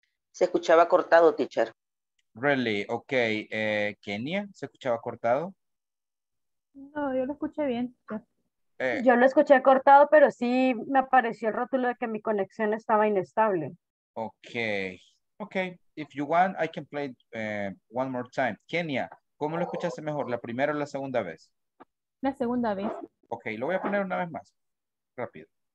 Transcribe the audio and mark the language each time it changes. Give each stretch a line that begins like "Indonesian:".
Spanish: Se escuchaba cortado, teacher. Really, okay. Kenia, ¿se escuchaba cortado? No, yo lo escuché bien. Yo lo escuché cortado, pero sí me apareció el rótulo de que mi conexión estaba inestable.
English: Okay, okay. If you want, I can play one more time.
Spanish: Kenia, ¿cómo lo escuchaste mejor, la primera o la segunda vez? La segunda vez. Okay, lo voy a poner una vez más, rápido.